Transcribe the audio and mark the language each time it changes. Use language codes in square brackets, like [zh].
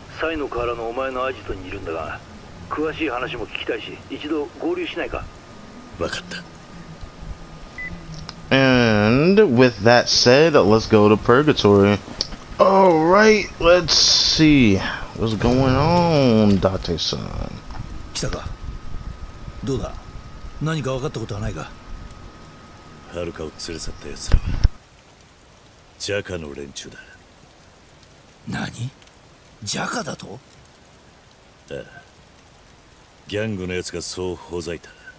[ja] サイの河原のお前のアジトにいるんだが、詳しい話も聞きたいし、一度合流しないか。わかった。 [en] And with that said, let's go to Purgatory. Alright, let's see what's going on, Date-san. [ja] 来たか。どうだ。何かわかったことはないか。ハルカを連れ去った奴らは、ジャカの連中だ。何？ジャカだと？ああ、ギャングのやつがそうほざいた。